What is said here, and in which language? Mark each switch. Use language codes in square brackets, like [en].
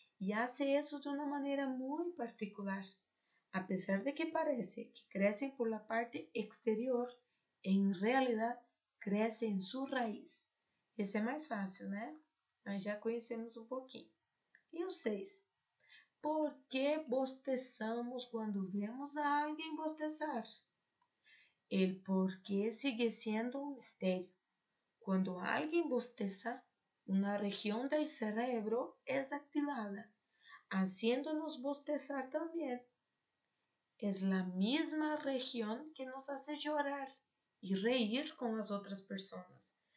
[es] E hace eso de una manera muy particular. A pesar de que parece que crecen por la parte exterior, en realidad crecen su raíz. [pt] Esse é mais fácil, né? Nós já conhecemos um pouquinho. E o 6. [es] Por que bostezamos quando vemos a alguém bostezar? El porqué sigue siendo un misterio. Cuando alguien bosteza, una región del cerebro es activada, haciéndonos bostezar también. Es la misma región que nos hace llorar y reír con las otras personas.